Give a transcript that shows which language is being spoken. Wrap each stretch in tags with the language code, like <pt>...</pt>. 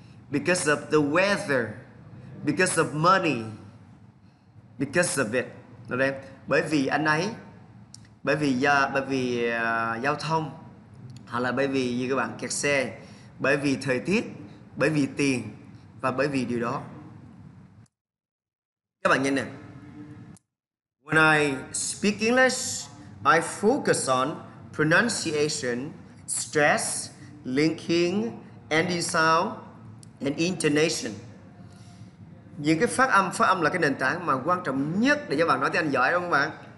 <en>Because of the weather, because of money, because of it, okay?</en> <vi>Bởi vì anh ấy, bởi vì giao thông, hoặc là bởi vì như các bạn kẹt xe, bởi vì thời tiết, bởi vì tiền và bởi vì điều đó. Các bạn nhìn nè.</vi> <en>When I speak English, I focus on pronunciation, stress, linking, ending sound, and intonation.</en> <vi>Những cái phát âm là cái nền tảng mà quan trọng nhất để cho bạn nói tiếng Anh giỏi, đúng không bạn?</vi>